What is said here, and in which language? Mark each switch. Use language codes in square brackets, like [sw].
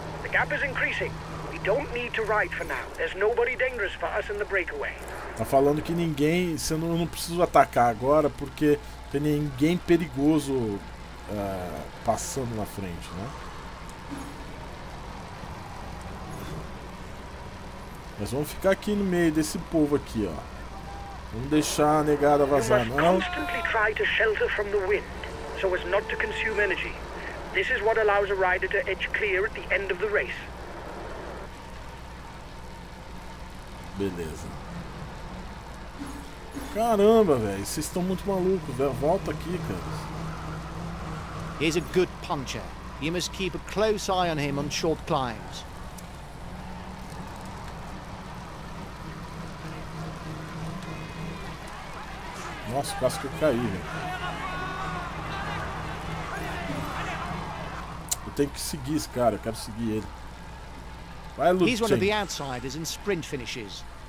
[en] Gap is increasing. We don't need to ride for now. There's nobody dangerous for us in the breakaway. [pt] Tá falando que ninguém, eu não preciso atacar agora porque tem ninguém perigoso passando na frente, né? Mas vamos ficar aqui no meio desse povo aqui, ó. Vamos deixar a negada vazar, não. [en] You must constantly try to shelter from the wind so as not to consume energy. This is what allows a rider to edge clear at the end of the race. [pt] Beleza. Caramba, velho, vocês estão muito malucos, velho. Volta aqui, cara. [en] He's a good puncher. You must keep a close eye on him on short climbs. [pt] Nossa, quase que eu caí, velho. Tem que seguir esse cara, eu quero seguir ele. Vai, Luke. [en] He's one of the outsiders in sprint finishes.